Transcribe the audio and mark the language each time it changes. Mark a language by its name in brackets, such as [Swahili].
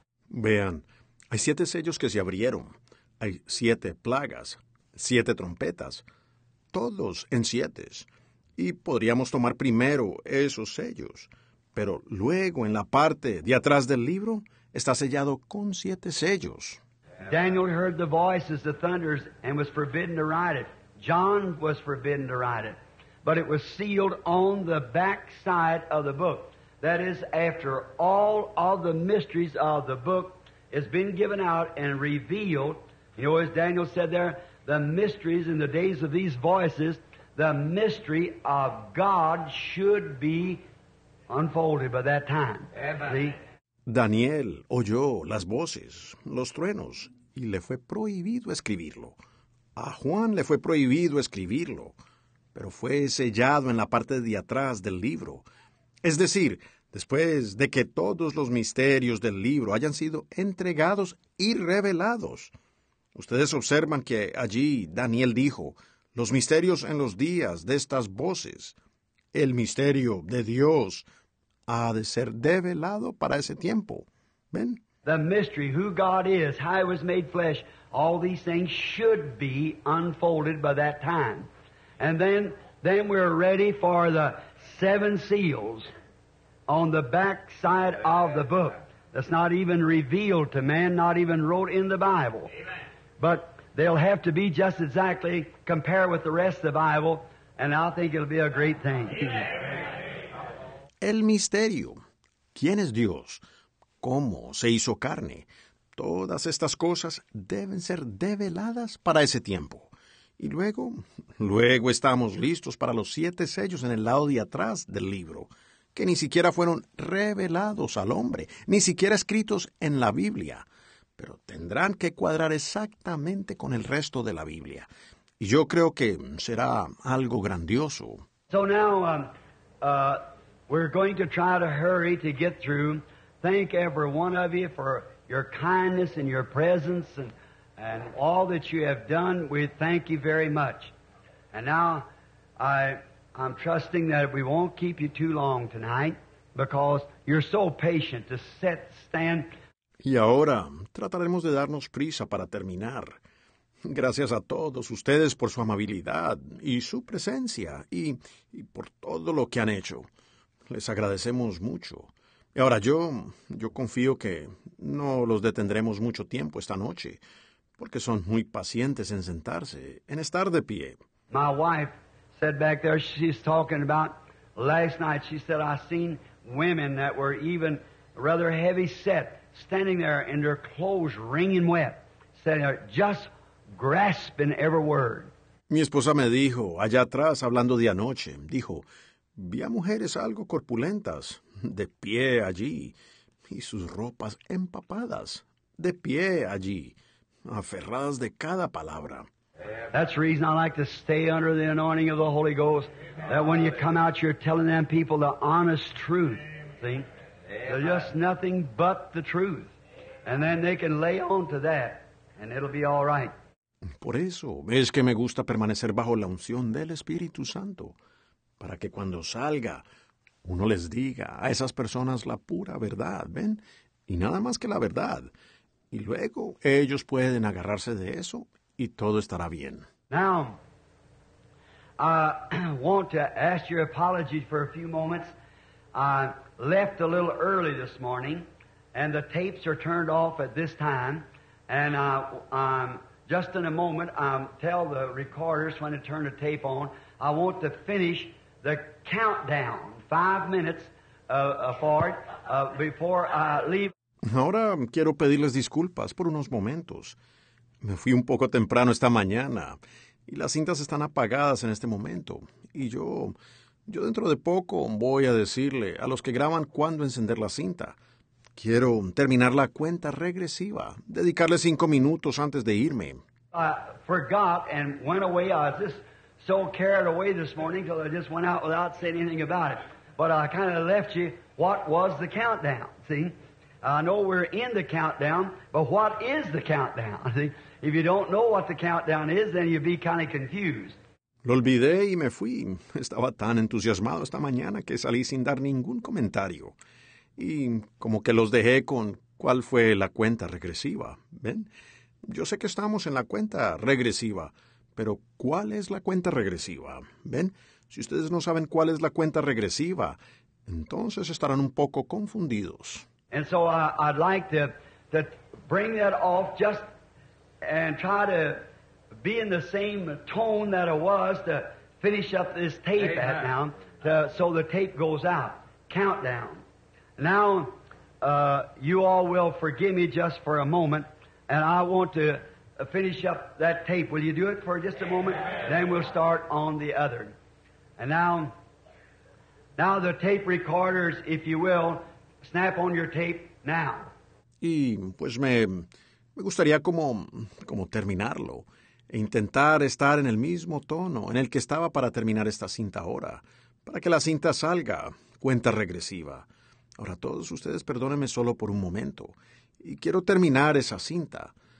[Spanish] Vean, hay siete sellos que se abrieron. Hay siete plagas, siete trompetas, todos en siete. Y podríamos tomar primero esos sellos. Pero luego, en la parte de atrás del libro, está sellado con siete sellos. [English] Daniel heard the voices, the thunders, and was forbidden to write it. John was forbidden to write it. But it was sealed on the back side of the book. That is, after all of the mysteries of the book has been given out and revealed. You know, as Daniel said there, the mysteries in the days of these voices, the mystery of God should be unfolded by that time. Amen. See? [Spanish] Daniel oyó las voces, los truenos, y le fue prohibido escribirlo. A Juan le fue prohibido escribirlo, pero fue sellado en la parte de atrás del libro. Es decir, después de que todos los misterios del libro hayan sido entregados y revelados. Ustedes observan que allí Daniel dijo, los misterios en los días de estas voces, el misterio de Dios ha de ser develado para ese tiempo. ¿Ven? [English] The mystery, who God is, how He was made flesh, all these things should be unfolded by that time. And then we're ready for the seven seals on the back side of the book. That's not even revealed to man, not even wrote in the Bible. But they'll have to be just exactly compared with the rest of the Bible, and I think it'll be a great thing. [Spanish] El misterio. ¿Quién es Dios? cómo se hizo carne. Todas estas cosas deben ser develadas para ese tiempo. Y luego estamos listos para los 7 sellos en el lado de atrás del libro, que ni siquiera fueron revelados al hombre, ni siquiera escritos en la Biblia. Pero tendrán que cuadrar exactamente con el resto de la Biblia. Y yo creo que será algo grandioso. [English] So now, we're going to try to hurry to get through. Thank every one of you for your kindness and your presence and all that you have done. We thank you very much. And now, I'm trusting that we won't keep you too long tonight because you're so patient to sit, stand. [Spanish] Y ahora, trataremos de darnos prisa para terminar. Gracias a todos ustedes por su amabilidad y su presencia y por todo lo que han hecho. Les agradecemos mucho. Y ahora yo confío que no los detendremos mucho tiempo esta noche, porque son muy pacientes en sentarse, en estar de pie. [English] My wife said back there, she's talking about last night, she said, I seen women that were even rather heavy set, standing there in their clothes wringing wet, standing there just grasping every word. [Spanish] Mi esposa me dijo, allá atrás, hablando de anoche, dijo, vi a mujeres algo corpulentas, de pie allí, y sus ropas empapadas, de pie allí, aferradas de cada palabra. [English] That's the reason I like to stay under the anointing of the Holy Ghost, that when you come out, you're telling them people the honest truth, see? They're just nothing but the truth. And then they can lay on to that, and it'll be all right. [Spanish] Por eso es que me gusta permanecer bajo la unción del Espíritu Santo, para que cuando salga, uno les diga a esas personas la pura verdad, ¿ven? Y nada más que la verdad. Y luego ellos pueden agarrarse de eso y todo estará bien. [English] Now, I want to ask your apologies for a few moments. I left a little early this morning, and the tapes are turned off at this time, and I'm... Just in a moment, I'll tell the recorders when to turn the tape on. I want to finish the countdown, 5 minutes for it, before I leave. [Spanish] Ahora quiero pedirles disculpas por unos momentos. Me fui un poco temprano esta mañana, y las cintas están apagadas en este momento. Y yo dentro de poco voy a decirle a los que graban cuándo encender la cinta. Quiero terminar la cuenta regresiva, dedicarle 5 minutos antes de irme. [English] I forgot and went away. I was just so carried away this morning because I just went out without saying anything about it. But I kind of left you, what was the countdown, see? I know we're in the countdown, but what is the countdown, see? If you don't know what the countdown is, then you'd be kind of confused. [Spanish] Lo olvidé y me fui. Estaba tan entusiasmado esta mañana que salí sin dar ningún comentario. Y como que los dejé con cuál fue la cuenta regresiva, ¿ven? Yo sé que estamos en la cuenta regresiva, pero ¿cuál es la cuenta regresiva? ¿Ven? Si ustedes no saben cuál es la cuenta regresiva, entonces estarán un poco confundidos. [English] And so I'd like to bring that off just and try to be in the same tone that I was to finish up this tape at now, so the tape goes out. Countdown. Now, you all will forgive me just for a moment, and I want to finish up that tape. Will you do it for just a moment? Then we'll start on the other. And now the tape recorders, if you will, snap on your tape now. [Spanish] Y pues me gustaría como terminarlo e intentar estar en el mismo tono en el que estaba para terminar esta cinta ahora, para que la cinta salga, cuenta regresiva. Ahora, todos ustedes, perdónenme solo por un momento. Y quiero terminar esa cinta.